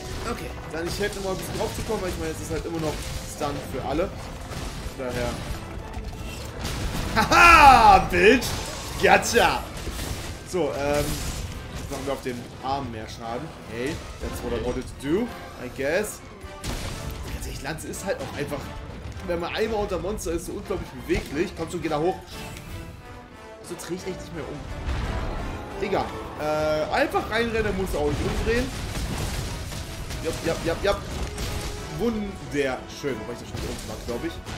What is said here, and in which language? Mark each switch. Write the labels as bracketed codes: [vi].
[de] Okay, dann ich hätte mal ein bisschen drauf zu kommen, weil ich meine, es ist halt immer noch Stun für alle. Daher. Haha, [en] Bitch! Gotcha! [de] So, jetzt machen wir auf dem Arm mehr Schaden. [en] Hey, that's what I wanted to do, I guess. [de] Tatsächlich, Lanze ist halt auch einfach, wenn man einmal unter Monster ist, so unglaublich beweglich. Kommst du, geh da hoch. So dreh ich echt nicht mehr um. Egal. Einfach reinrennen, muss auch nicht umdrehen. Jap, jap, jap, jap. Wunderschön. Wobei ich das schon so unten mache, glaube ich.